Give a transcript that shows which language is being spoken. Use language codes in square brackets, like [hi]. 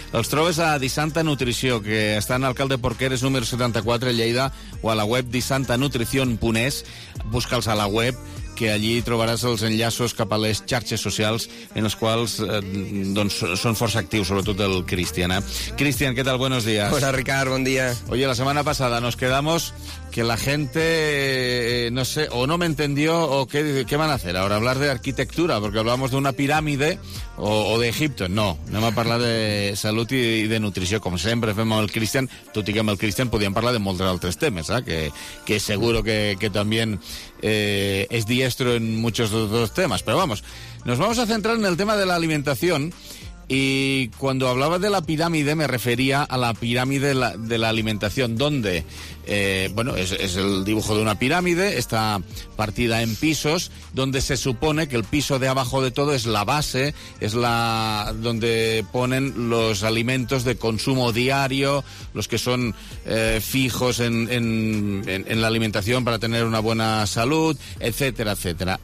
[ca] Els trobes a Disanta Nutrició, que està en Alcalde Porqueres número 74, Lleida, o a la web disantanutricion.es. Busca'ls a la web, que allí trobaràs els enllaços cap a les xarxes socials en els quals doncs, són força actius, sobretot el Cristian. Cristian, què tal? [es] Buenos días. [ca] Hola, Ricard, bon dia. [es] Oye, [ca] la setmana passada [es] nos quedamos que la gente, no sé, o no me entendió, o qué van a hacer ahora, hablar de arquitectura, porque hablábamos de una pirámide o de Egipto. [ca] No, anem a parlar de salut i de nutrició, com sempre fem amb el Cristian, tot i que amb el Cristian podíem parlar de molts altres temes, que [es] seguro que también es diestro en muchos otros temas. Pero vamos, nos vamos a centrar en el tema de la alimentación. Y cuando hablaba de la pirámide, me refería a la pirámide de la alimentación, donde, es el dibujo de una pirámide, está partida en pisos, donde se supone que el piso de abajo de todo es la base, es la donde ponen los alimentos de consumo diario, los que son fijos en la alimentación para tener una buena salud, etcétera, etcétera.